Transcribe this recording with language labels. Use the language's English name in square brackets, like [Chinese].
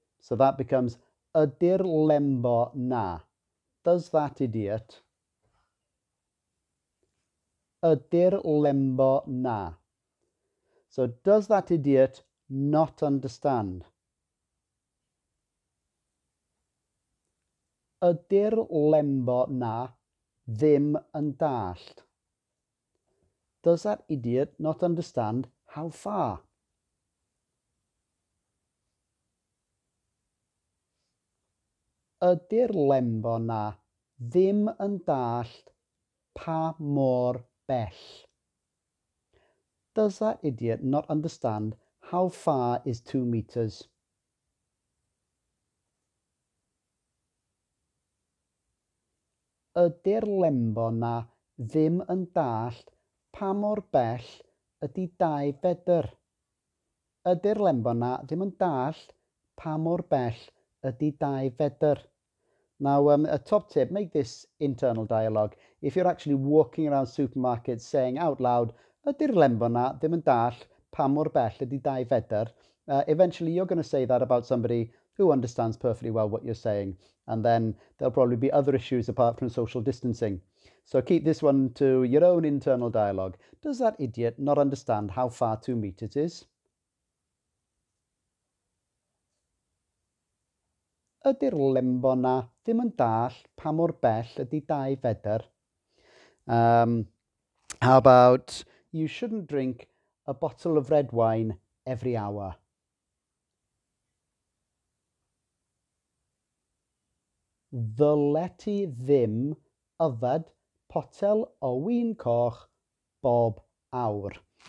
[English] So that becomes [Welsh] ydi'r lembo na. [English] Does that idiot? [Welsh] Ydi'r lembo na. [English] So does that idiot not understand? [Welsh] Ydi'r lembo na ddim yn dallt? [English] Does that idiot not understand how far? [Welsh] Ydi'r lembo na ddim yn dallt pa mor bell? [English] Does that idiot not understand how far is 2 meters? [Welsh] Ydi'r lembo na ddim yn dallt pa mor bell ydi 2 fedr? Ydi'r lembo na ddim yn dallt pa mor bell ydi 2 fedr? [English] Now, a top tip, make this internal dialogue. If you're actually walking around supermarkets saying out loud, [Welsh] ydy'r lembo na ddim yn dall pa mor bell ydy 2 fedr, [English] eventually you're going to say that about somebody who understands perfectly well what you're saying. And then there'll probably be other issues apart from social distancing. So keep this one to your own internal dialogue. Does that idiot not understand how far 2 meters is? [Welsh] Ydy'r lembo na ddim yn dall pa mor bell ydy 2 fedr? [English] How about you shouldn't drink a bottle of red wine every hour? [Welsh] Ddyleti ddim yfed potel o win coch bob awr.